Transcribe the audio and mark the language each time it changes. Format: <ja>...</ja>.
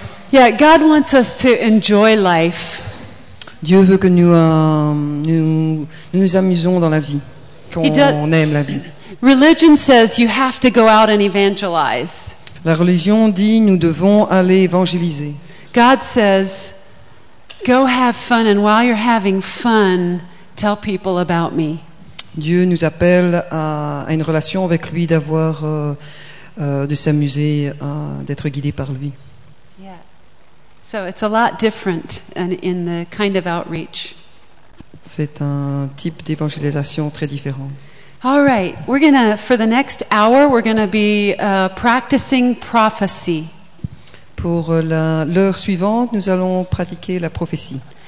<en>Yeah, God wants us to enjoy life.</en> <fr>Dieu veut que nous amusons dans la vie, qu'on aime la vie.</fr> <en>Religion says you have to go out and evangelize.</en> <fr>La religion dit nous devons aller évangéliser.</fr> <en>God says go have fun and while you're having fun tell people about me.</en> <fr>Dieu nous appelle à une relation avec lui, d'avoir de s'amuser, d'être guidé par lui.</fr> <en>So it's a lot different in the kind of outreach.</en> <fr>C'est un type d'évangélisation très différent.</fr> <en>All right, for the next hour, we're going to be practicing prophecy.</en> <fr>Pour l'heure suivante, nous allons pratiquer la prophétie.</fr>